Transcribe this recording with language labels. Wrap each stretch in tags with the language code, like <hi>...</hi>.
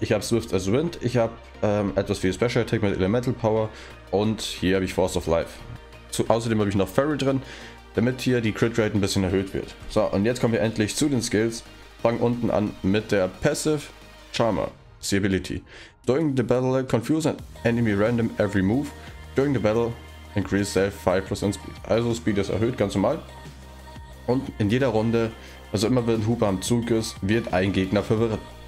<de>Ich habe Swift as Wind, ich habe etwas für Special Attack mit Elemental Power und hier habe ich Force of Life. Außerdem habe ich noch Fairy drin, damit hier die Crit Rate ein bisschen erhöht wird. So, und jetzt kommen wir endlich zu den Skills. Fangen unten an mit der Passive Charmer, the Ability.</de> <en>During the battle, confuse an enemy random every move. During the battle, increase self 5% speed.</en> <de>Also Speed ist erhöht, ganz normal. Und in jeder Runde, also immer wenn Hooper am Zug ist, wird ein Gegner verwirrt.</de>